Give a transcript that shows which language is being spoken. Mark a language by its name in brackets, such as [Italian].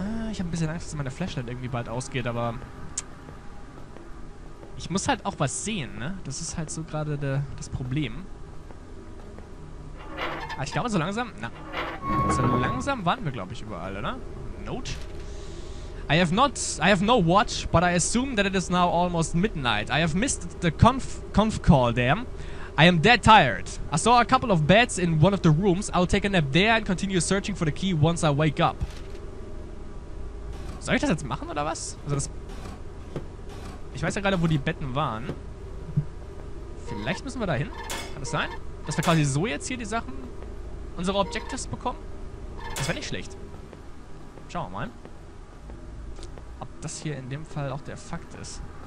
[German] Ich habe ein bisschen Angst, dass meine Flashlight irgendwie bald ausgeht, aber... Ich muss halt auch was sehen, ne? Das ist halt so gerade das Problem. Ah, ich glaube, so langsam... Na. So langsam waren wir, glaube ich, überall, oder? [English] Note. I have no watch, but I assume that it is now almost midnight. I have missed the conf call, damn. I am dead tired. I saw a couple of beds in one of the rooms. I'll take a nap there and continue searching for the key once I wake up. [German] Soll ich das jetzt machen, oder was? Also das... Ich weiß ja gerade, wo die Betten waren. Vielleicht müssen wir da hin? Kann das sein? Dass wir quasi so jetzt hier die Sachen... Unsere Objectives bekommen? Das wäre nicht schlecht. Schauen wir mal. Ob das hier in dem Fall auch der Fakt ist.